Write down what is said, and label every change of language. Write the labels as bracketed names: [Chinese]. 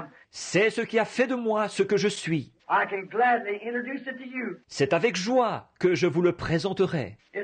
[French] C'est ce qui a fait de moi ce que je suis. [English] I can gladly introduce it to you. [French] C'est avec joie que je vous le présenterai.